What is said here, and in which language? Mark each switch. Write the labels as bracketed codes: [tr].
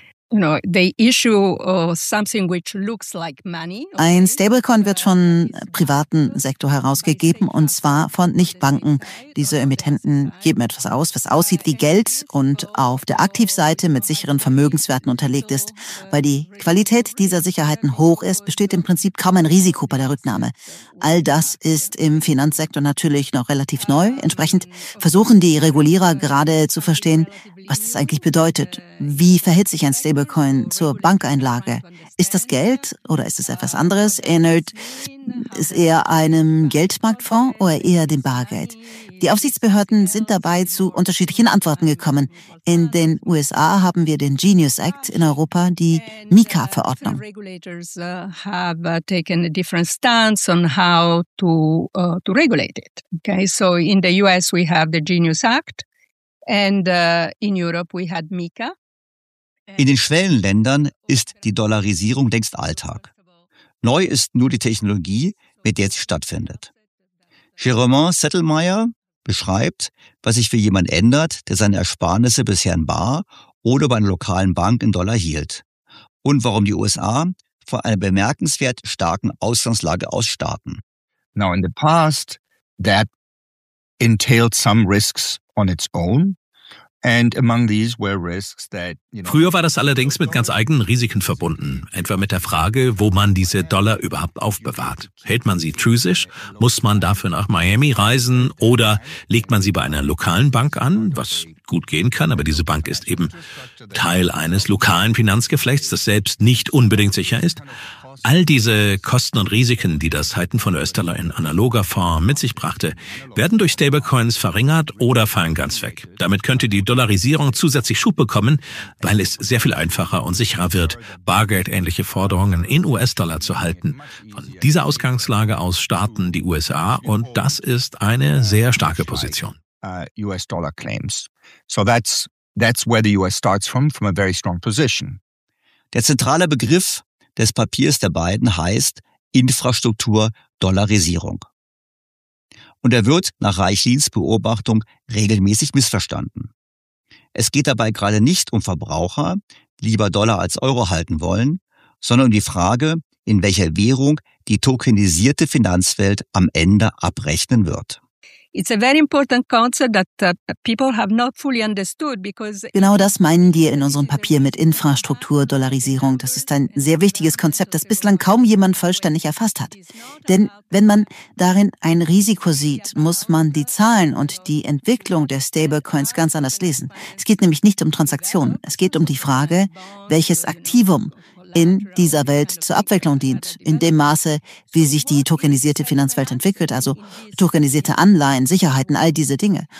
[en] You know, they issue something which looks like money. [de] Ein Stablecoin wird von privaten Sektor herausgegeben, und zwar von Nichtbanken. Diese Emittenten geben etwas aus, was aussieht wie Geld und auf der Aktivseite mit sicheren Vermögenswerten unterlegt ist. Weil die Qualität dieser Sicherheiten hoch ist, besteht im Prinzip kaum ein Risiko bei der Rücknahme. All das ist im Finanzsektor natürlich noch relativ neu. Entsprechend versuchen die Regulierer gerade zu verstehen, was das eigentlich bedeutet. Wie verhält sich ein Stablecoin zur Bankeinlage? Ist das Geld oder ist es etwas anderes? Ähnelt es eher einem Geldmarktfonds oder eher dem Bargeld? Die Aufsichtsbehörden sind dabei zu unterschiedlichen Antworten gekommen. In den USA haben wir den Genius Act, in Europa die MiCA-Verordnung. [en] Regulators have taken a different stance on how to regulate it. Okay, so in the US we have the Genius Act and in Europe we had MiCA. [de] In den Schwellenländern ist die Dollarisierung längst Alltag. Neu ist nur die Technologie, mit der sie stattfindet. Jeromin Zettelmeier beschreibt, was sich für jemand ändert, der seine Ersparnisse bisher in Bar oder bei einer lokalen Bank in Dollar hielt. Und warum die USA vor einer bemerkenswert starken Ausgangslage aus starten. [en] Now in the past, that entailed some risks on its own. And among these were risks that, you know, [de] früher war das allerdings mit ganz eigenen Risiken verbunden, etwa mit der Frage, wo man diese Dollar überhaupt aufbewahrt. Hält man sie physisch? Muss man dafür nach Miami reisen? Oder legt man sie bei einer lokalen Bank an, was gut gehen kann, aber diese Bank ist eben Teil eines lokalen Finanzgeflechts, das selbst nicht unbedingt sicher ist? All diese Kosten und Risiken, die das Halten von US-Dollar in analoger Form mit sich brachte, werden durch Stablecoins verringert oder fallen ganz weg. Damit könnte die Dollarisierung zusätzlich Schub bekommen, weil es sehr viel einfacher und sicherer wird, bargeldähnliche Forderungen in US-Dollar zu halten. Von dieser Ausgangslage aus starten die USA, und das ist eine sehr starke Position. [en] US-Dollar-Claims. So that's where the US starts from a very strong position. [de] Der zentrale Begriff des Papiers der beiden heißt Infrastruktur-Dollarisierung. Und er wird nach Reichlins Beobachtung regelmäßig missverstanden. Es geht dabei gerade nicht um Verbraucher, die lieber Dollar als Euro halten wollen, sondern um die Frage, in welcher Währung die tokenisierte Finanzwelt am Ende abrechnen wird. [en] It's a very important concept that people have not fully understood, because [de] genau das meinen wir in unserem Papier mit Infrastruktur-Dollarisierung. Das ist ein sehr wichtiges Konzept, das bislang kaum jemand vollständig erfasst hat. Denn wenn man darin ein Risiko sieht, muss man die Zahlen und die Entwicklung der Stablecoins ganz anders lesen. Es geht nämlich nicht um Transaktionen. Es geht um die Frage, welches Aktivum in dieser Welt zur Abwicklung dient, in dem Maße, wie sich die tokenisierte Finanzwelt entwickelt, also tokenisierte Anleihen, Sicherheiten, all diese Dinge.